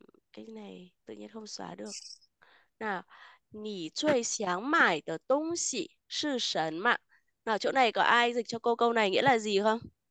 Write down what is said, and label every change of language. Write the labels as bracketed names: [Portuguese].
[Vietnamese] cái này tự nhiên không xóa được. [Chinese] Nào,你最想买的东西是什么？ [Vietnamese] 那chỗ này có ai dịch cho cô câu này nghĩa là gì không?